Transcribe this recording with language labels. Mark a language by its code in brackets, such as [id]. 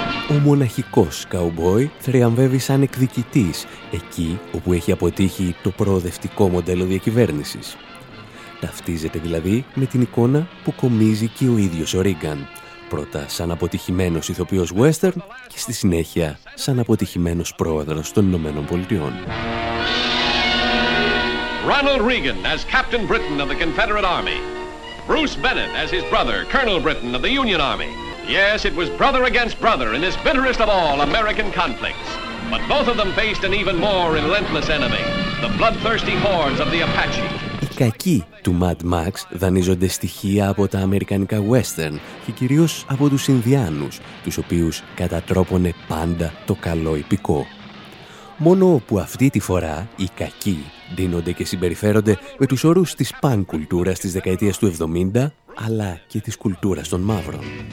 [el] Ο μοναχικός καουμπόι θριαμβεύει σαν εκδικητής εκεί όπου έχει αποτύχει το προοδευτικό μοντέλο διακυβέρνησης. Ταυτίζεται δηλαδή με την εικόνα που κομίζει και ο ίδιος ο Ρίγκαν. Πρώτα σαν αποτυχημένος ηθοποιός western και στη συνέχεια σαν αποτυχημένος πρόεδρος των Ηνωμένων Πολιτειών. [en] Ρόναλντ Ρίγκαν as Captain Britain of the Confederate Army. Bruce Bennett as his brother, Colonel Britain of the Union Army. Yes, it was brother against brother in this bitterest of all American conflicts. But both of them faced an even more relentless enemy, the bloodthirsty hordes of the Apache. [el] Οι κακοί του Mad Max δανείζονται στοιχεία από τα αμερικανικά western και κυρίως από τους Ινδιάνους, τους οποίους κατατρόπωνε πάντα το καλό υπηκό. Μόνο που αυτή τη φορά οι κακοί ντύνονται και συμπεριφέρονται με τους όρους της punk κουλτούρας της δεκαετίας του 70, αλλά και της κουλτούρας των μαύρων.